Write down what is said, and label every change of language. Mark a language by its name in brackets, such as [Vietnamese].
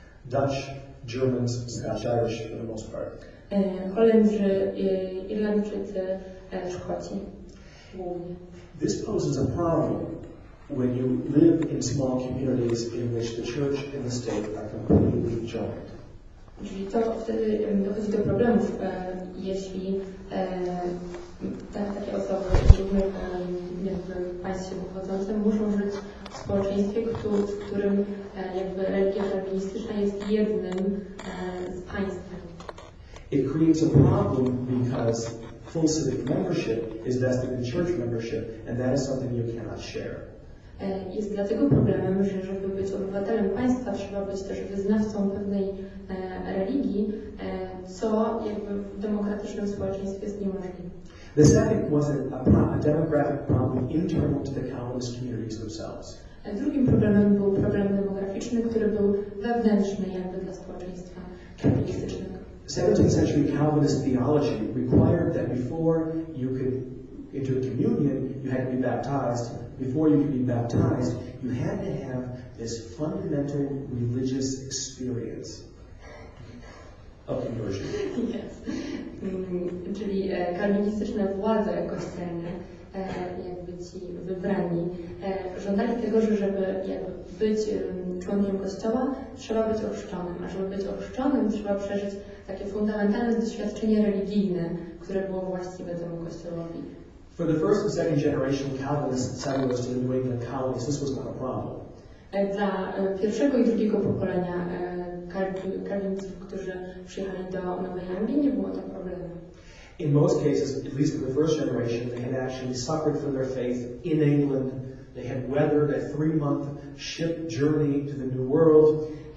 [English] Dutch, Germans, Scotch, Irish for the most part. [Polish] Holendrzy, Irlandczycy, Szkoci. [English] This poses a problem when you live in small communities in which the church and the state are completely joined. [Polish] Czyli to wtedy dochodzi do problemów, jeśli takie osoby z różnych państw się pochodzące muszą żyć w społeczeństwie, w którym jakby religia kalwinistyczna jest jednym z państwem. [English] It creates a problem because full civic membership is vested in church membership, and that is something you cannot share. [Polish] Jest dlatego problemem, że żeby być obywatelem państwa, trzeba być też wyznawcą pewnej religii, co jakby w demokratycznym społeczeństwie jest niemożliwe. [English] The second was a demographic problem internal to the Calvinist communities themselves. [Polish] Drugim problemem był problem demograficzny, który był wewnętrzny jakby dla społeczeństwa kalwinistycznego. [English] 17th century Calvinist theology required that before you could enter communion, you had to be baptized. Before you could be baptized, you had to have this fundamental religious experience of conversion. Yes. [Polish] Czyli kalwinistyczne władze kościelne, jakby ci wybrani, żądali tego, że żeby być członkiem kościoła, trzeba być ochrzczonym. A żeby być ochrzczonym, trzeba przeżyć takie fundamentalne doświadczenie religijne, które było właściwe temu kościołowi. [English] For the first and second generation Calvinist settlers in New England colonies, this was not a problem. [Polish] Dla pierwszego i drugiego pokolenia Kalwinistów, którzy przyjechali do Nowej Anglii, nie było to problemem. [English] In most cases, at least in the first generation, they had actually suffered for their faith in England. They had weathered a three-month ship journey to the New World.